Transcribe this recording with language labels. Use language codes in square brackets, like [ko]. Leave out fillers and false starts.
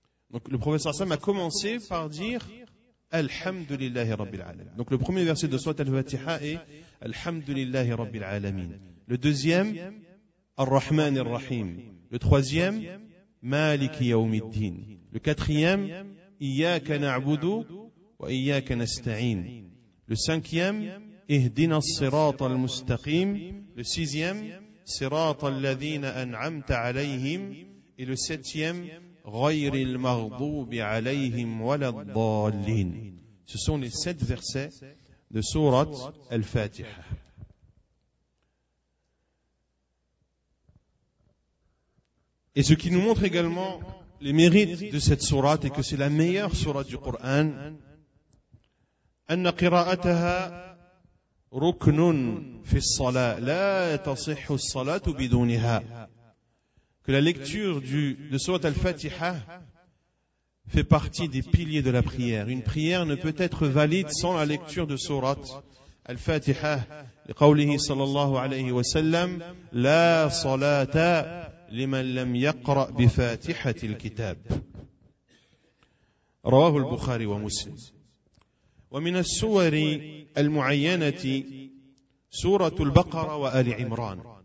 [fr] Donc le prophète sallallahu alayhi wa sallam a commencé par dire [ar] Alhamdulillahi Rabbil Alameen. [fr] Donc le premier verset de Sourate Al-Fatiha est [ar] Alhamdulillahi Rabbil Alameen. [fr] Le deuxième, [ar] Ar-Rahman Ar-Rahim. [fr] Le troisième, [ar] Maliki Yawmiddin. [fr] Le quatrième, [ar] إياك نعبد وإياك نستعين. [fr] Le cinquième, [ar] إهدنا الصراط المستقيم. [fr] Le sixième, [ar] صراط الذين أنعمت عليهم. [fr] Et le septième, [ar] غير المغضوب عليهم ولا الضالين. [fr] Ce sont les sept versets de Sourate Al-Fatiha. Et ce qui nous montre également les mérites de cette sourate et que c'est la meilleure sourate du Coran, [ar] أن قراءتها ركن في الصلاة لا تصح الصلاة بدونها, [fr] que la lecture de sourate Al-Fatiha fait partie des piliers de la prière. Une prière ne peut être valide sans la lecture de sourate [ar] الفاتحة لقوله صلى الله عليه وسلم: لا صلاة لمن لم يقرأ بفاتحة الكتاب. رواه البخاري ومسلم. ومن السور المعينة سورة البقرة وآل عمران.